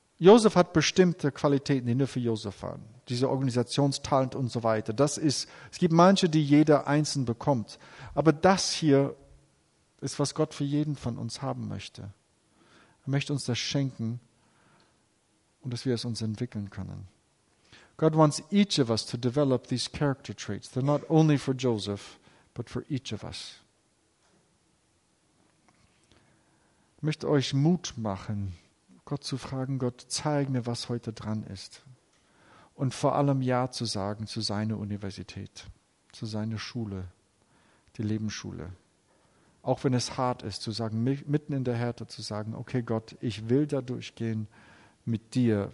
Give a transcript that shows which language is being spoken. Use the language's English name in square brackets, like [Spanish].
[German] Josef hat bestimmte Qualitäten, die nur für Josef waren. Diese Organisationstalent und so weiter. Das ist, es gibt manche, die jeder einzeln bekommt. Aber das hier ist, was Gott für jeden von uns haben möchte. Er möchte uns das schenken und dass wir es uns entwickeln können. [English] God wants each of us to develop these character traits. They're not only for Joseph, but for each of us. [German] Ich möchte euch Mut machen, Gott zu fragen, Gott, zeig mir, was heute dran ist. Und vor allem Ja zu sagen zu seiner Universität, zu seiner Schule, die Lebensschule. Auch wenn es hart ist, zu sagen, mitten in der Härte zu sagen, okay Gott, ich will da durchgehen mit dir.